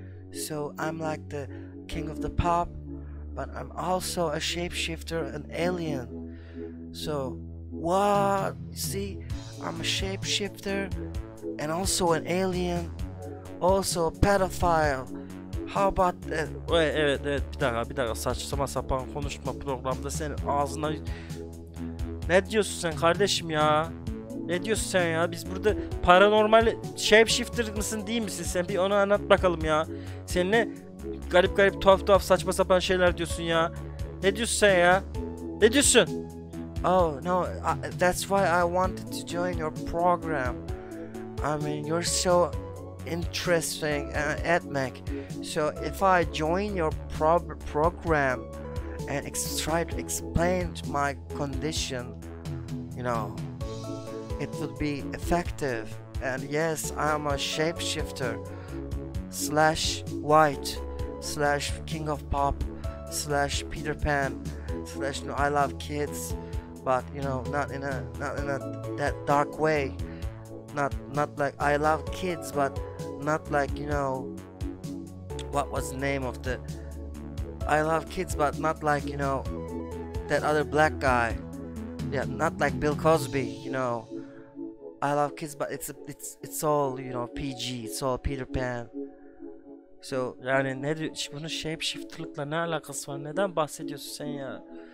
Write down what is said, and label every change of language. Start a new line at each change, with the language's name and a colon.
English: So I'm like the king of the pop, but I'm also a shapeshifter, an alien. So what, you see, I'm a shapeshifter and also an alien, also a pedophile. How about that?
Turkish: Evet, bir dakika, saçma sapan konuşma programda senin ağzına. Ne diyorsun sen kardeşim ya? Ne diyorsun sen ya? Biz burada paranormal shapeshifter mısın değil misin sen? Bir onu anlat bakalım ya. Sen ne garip garip, tuhaf tuhaf, saçma sapan şeyler diyorsun ya? Ne diyorsun sen ya? Ne diyorsun?
English: Oh no, that's why I wanted to join your program. I mean, you're so interesting, Edmec. So if I join your program and try to explain my condition, you know, it would be effective. And yes, I'm a shapeshifter slash white slash king of pop slash Peter Pan slash, you know, I love kids, but you know, not in a that dark way. Not like I love kids, but not like, you know, what was the name of the, I love kids but not like, you know, that other black guy. Yeah, not like Bill Cosby, you know. I love kids but it's all, you know, PG, it's all Peter Pan. So
Turkish: yani ne diyor, bunun shapeshifter'lıkla ne alakası var, neden bahsediyorsun sen ya?